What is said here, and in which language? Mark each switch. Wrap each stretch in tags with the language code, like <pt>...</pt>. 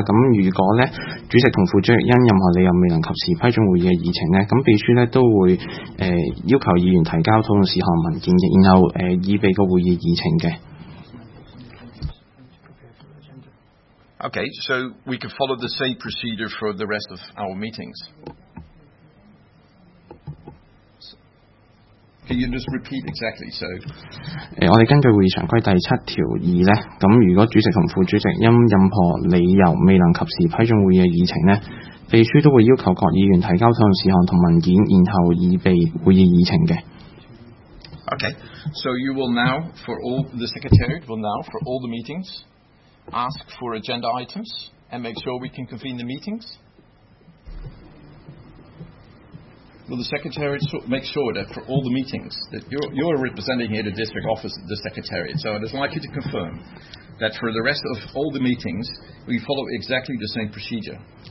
<yue>咁如果咧主席同副主席因任何理由未能及時批准會議嘅議程咧，咁秘書咧都會要求議員提交討論事項文件嘅，然後擬備個會議議程嘅。</yue> <en>Okay, so we can follow the same procedure for the rest of our meetings. Can you just repeat exactly so?</en> <yue>我哋根據會議常規第七條二咧，咁如果主席同副主席因任何理由未能及時批准會議嘅議程咧，秘書都會要求各議員提交討論事項同文件，然後擬備會議議程嘅。</yue> <en>Okay, so you will now for all the secretariat will now for all the meetings ask for agenda items and make sure we can convene the meetings. Will the secretariat make sure that for all the meetings that you're representing here the district office, the secretariat, so I'd just like you to confirm that for the rest of all the meetings, we follow exactly the same procedure.</en>